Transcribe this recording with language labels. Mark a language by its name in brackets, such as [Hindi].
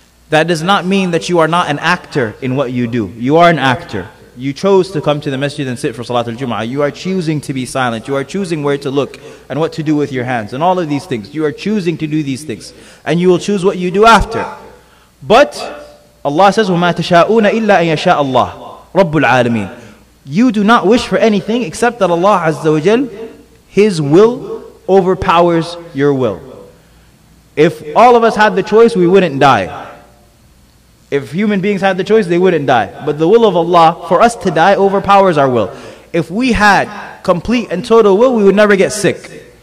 [English] That does not mean that you are not an actor in what you do. You are an actor. You chose to come to the masjid and sit for Salatul Jum'ah. You are choosing to be silent. You are choosing where to look and what to do with your hands and all of these things. You are choosing to do these things. And you will choose what you do after. But Allah says, [Arabic] وَمَا تَشَاءُونَ إِلَّا أَن يَشَاءَ اللَّهُ رَبُّ الْعَالَمِينَ. [English] You do not wish for anything except that Allah Azza wa Jal, His will overpowers your will. If all of us had the choice, we wouldn't die. If human beings had the choice, they wouldn't die. But the will of Allah, for us to die, overpowers our will. If we had complete and total will, we would never get sick.